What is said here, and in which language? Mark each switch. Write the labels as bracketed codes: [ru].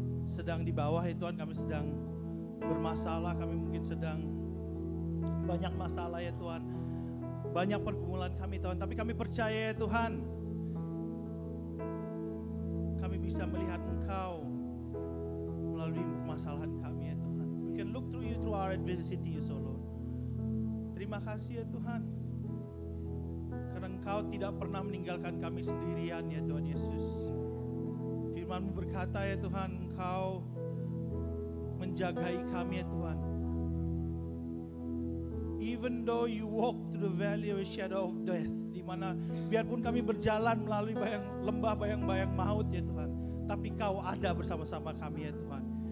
[id] Sedang di bawah ya Tuhan, kami sedang bermasalah, kami mungkin sedang banyak masalah ya Tuhan, banyak pergumulan kami Tuhan, tapi kami percaya ya Tuhan, kami bisa melihat Engkau melalui permasalahan kami ya Tuhan. [en] We can look through You through our adversity, O Lord. [id] Terima kasih ya Tuhan, karena Engkau tidak pernah meninggalkan kami sendirian ya Tuhan Yesus. Firman-Mu berkata ya Tuhan, Engkau menjagai kami ya Tuhan. [en] Even though You walk through the valley of the shadow of death, [id] di mana biarpun kami berjalan melalui bayang lembah bayang-bayang maut ya Tuhan, tapi Kau ada bersama-sama kami ya Tuhan.